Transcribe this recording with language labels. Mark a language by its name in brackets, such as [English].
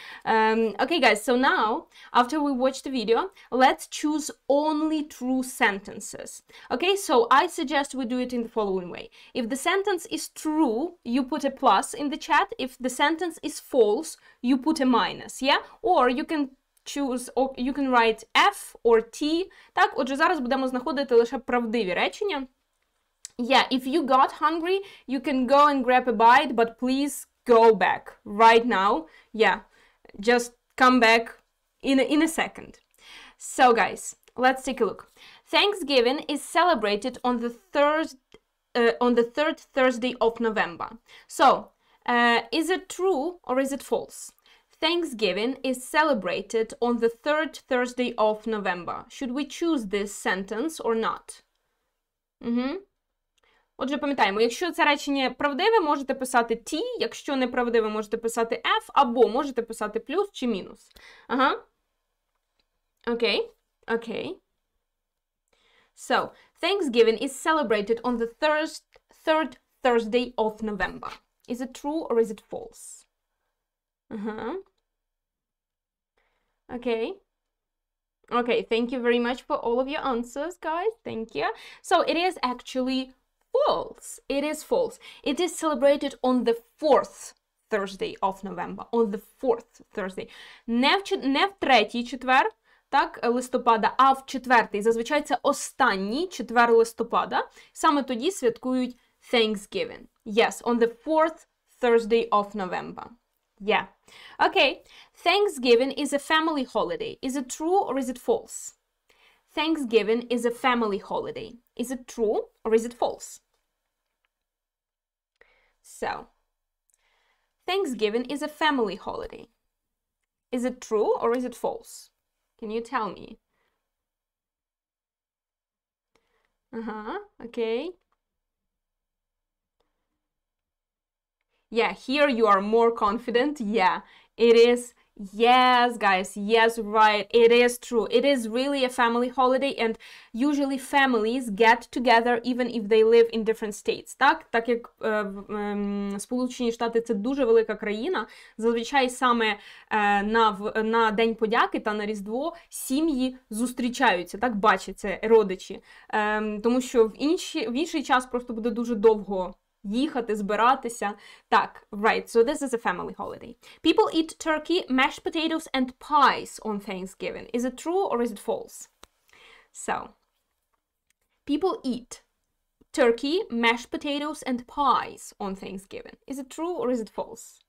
[English] Okay, guys, so now, after we watch the video, let's choose only true sentences. Okay, so I suggest we do it in the following way. If the sentence is true, you put a plus in the chat. If the sentence is false, you put a minus, yeah? Or you can choose, or you can write F or T. [Ukrainian] Так, отже, зараз будемо знаходити лише правдиві речення. [English] Yeah, if you got hungry, you can go and grab a bite, but please go back right now, yeah. Just come back in a second. So, guys, let's take a look. Thanksgiving is celebrated on the third Thursday of November. So, is it true or is it false? Thanksgiving is celebrated on the third Thursday of November. Should we choose this sentence or not? Mm-hmm. [Ukrainian] Отже, пам'ятаємо, якщо це речення правдиве, можете писати T, якщо неправдиве, можете писати F, або можете писати плюс чи мінус. Ага. Окей. Окей. [English] So, Thanksgiving is celebrated on the third Thursday of November. Is it true or is it false? [Ukrainian] Ага. Окей. [English] Окей, thank you very much for all of your answers, guys. Thank you. So, it is actually false. It is false. It is celebrated on the fourth Thursday of November. On the fourth Thursday. [Ukrainian] Не в третій четвер, так, листопада, а в четвертий. Зазвичай це останній четвер листопада. Саме тоді святкують [English] Thanksgiving. Yes, on the fourth Thursday of November. Yeah. Okay. Thanksgiving is a family holiday. Is it true or is it false? Thanksgiving is a family holiday. Is it true or is it false? So, Thanksgiving is a family holiday. Is it true or is it false? Can you tell me? Okay. Yeah, here you are more confident. Yeah, it is. Yes, guys. Yes, right. It is true. It is really a family holiday, and usually families get together even if they live in different states. [Ukrainian] Так, так як Сполучені Штати це дуже велика країна, зазвичай саме на День подяки та на Різдво сім'ї зустрічаються, так, бачаться родичі. Тому що в інший час просто буде дуже довго їхати, збиратися. Так, [English] right, so this is a family holiday. People eat turkey, mashed potatoes and pies on Thanksgiving. Is it true or is it false? So, people eat turkey, mashed potatoes and pies on Thanksgiving. Is it true or is it false?